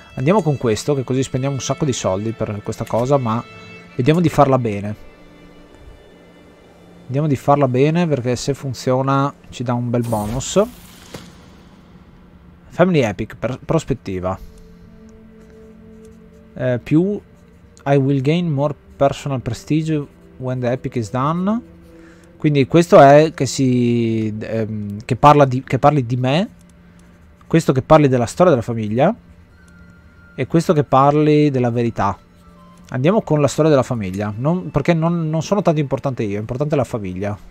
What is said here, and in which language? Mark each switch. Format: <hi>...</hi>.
<it>Andiamo con questo, che così spendiamo un sacco di soldi per questa cosa, ma vediamo di farla bene. Vediamo di farla bene, perché se funziona ci dà un bel bonus. Family Epic, prospettiva.</it> <en>Più I will gain more personal prestige when the epic is done.</en> <it>Quindi questo è che si che parli di me. Questo che parli della storia della famiglia. E questo che parli della verità. Andiamo con la storia della famiglia. Perché non sono tanto importante io, è importante la famiglia.</it>